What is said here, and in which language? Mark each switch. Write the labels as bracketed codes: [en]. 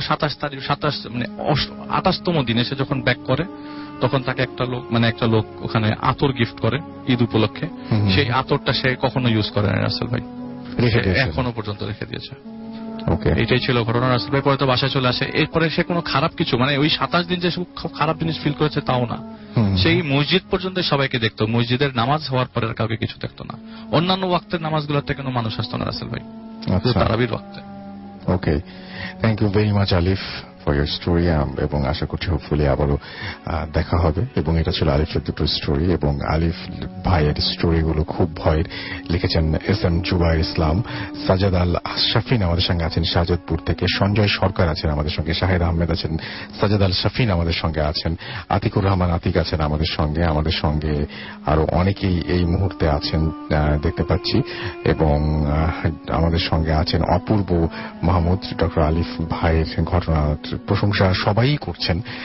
[bn] 27 মানে 28তম দিনে সে যখন ব্যাক করে, তখন তাকে একটা লোক মানে একটা লোক ওখানে আতর গিফট করে ঈদ উপলক্ষে, সেই আতরটা সে কখনো ইউজ করে না রাসেল ভাই, এখনো পর্যন্ত রেখে দিয়েছে। এটাই ছিল ঘটনা। রাসেল ভাই পরে তো বাসায় চলে আসে। এরপরে সে কোনো খারাপ কিছু মানে ওই 27 দিন যে খুব খারাপ জিনিস ফিল করেছে তাও না, সেই মসজিদ পর্যন্ত সবাইকে দেখতো, মসজিদের নামাজ হওয়ার পরে কাউকে কিছু দেখতো না। অন্যান্য ওয়াক্তের নামাজগুলোতে কোনো মানুষ আসতো না রাসেল ভাই, তারাবির ওয়াক্তে। [en] Okay, thank you very much, Alif. For your story [bn] এবং আশা করছি হোপফুলি আবারও দেখা হবে। এবং এটা ছিল আলিফের দুটো স্টোরি এবং আলিফ ভাইয়ের স্টোরিগুলো খুব ভয়ের, লিখেছেন এস এম জুবায়ের ইসলাম। সাজাদ আল শাফিন আমাদের সঙ্গে আছেন শাহজাদপুর থেকে, সঞ্জয় সরকার আছেন আমাদের সঙ্গে, শাহেদ আহমেদ আছেন, সাজাদ আল শাফিন আমাদের সঙ্গে আছেন, আতিকুর রহমান আতিক আছেন আমাদের সঙ্গে, আমাদের সঙ্গে আরো অনেকেই এই মুহূর্তে আছেন দেখতে পাচ্ছি, এবং আমাদের সঙ্গে আছেন অপূর্ব মাহমুদ, ডক্টর আলিফ ভাইয়ের ঘটনা প্রশংসা সবাই করছেন।